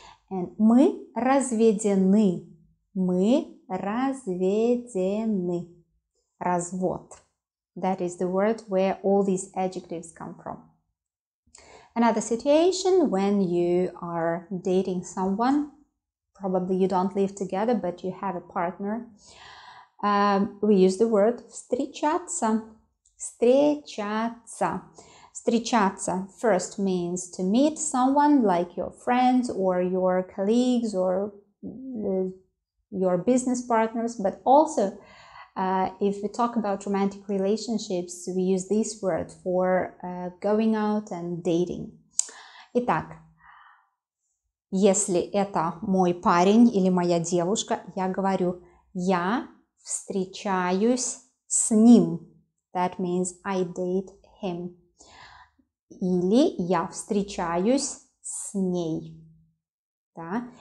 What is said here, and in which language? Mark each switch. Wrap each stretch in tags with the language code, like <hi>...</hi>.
<ru>And мы разведены, мы разведены. Развод.</ru> <en>That is the word where all these adjectives come from. Another situation when you are dating someone, probably you don't live together, but you have a partner, we use the word встречаться.</en> <ru>Встречаться. Встречаться.</ru> <en>First means to meet someone like your friends or your colleagues or your business partners, but also if we talk about romantic relationships, we use this word for going out and dating.</en> <ru>Итак, если это мой парень или моя девушка, я говорю, я встречаюсь с ним.</ru> <en>That means I date him.</en> <ru>Или я встречаюсь с ней. Да?</ru>